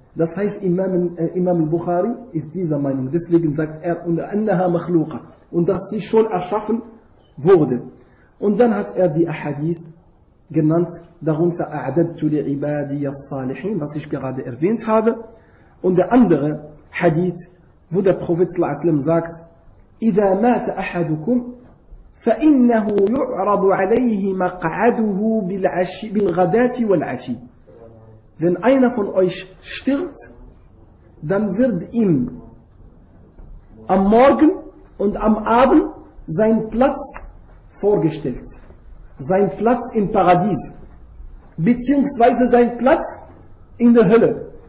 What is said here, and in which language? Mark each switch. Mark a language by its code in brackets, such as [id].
[de] Das heißt, Imam al-Bukhari ist dieser Meinung. Deswegen sagt er, und dass sie schon erschaffen wurde. Und dann hat er die Ahadith genannt, darunter [ar] A'adadtu li'ibadi as-salihin, [de] was ich gerade erwähnt habe. Und der andere Hadith, wo der Prophet s.a.w. [ar] sagt, إذا مات أحدكم فإنه يعرض عليه مقعده بالغداة والعشي. [de] Wenn einer von euch stirbt, dann wird ihm am Morgen und am Abend sein Platz vorgestellt. Sein Platz im Paradies. Beziehungsweise sein Platz in der Hölle.